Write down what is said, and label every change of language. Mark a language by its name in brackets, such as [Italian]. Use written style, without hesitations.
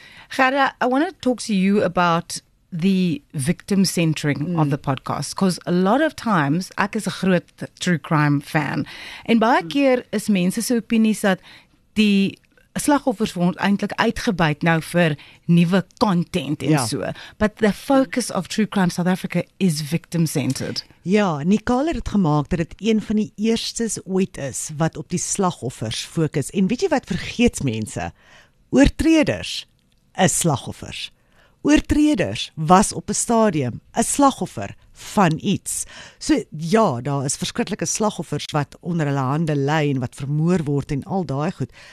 [Afrikaans] Gerda, [English] I want to talk to you about the victim centering of the podcast, because a lot of times [Afrikaans] ek is 'n groot true crime fan en baie keer is mense se opinies dat die slagoffers word eintlik uitgebuit nou vir nuwe content en so. [English] But the focus of True Crime South Africa is victim centered. [Afrikaans] Ja, Nicole het gemaak dat dit een van die eerstes ooit is wat op die slagoffers fokus. En weet jy wat vergeet mense? Oortreders is slagoffers. Oortreders was op 'n stadium 'n slagoffer van iets. So ja, daar is verskriklike slagoffers wat onder hulle hande ly en wat vermoor word en al daai goed.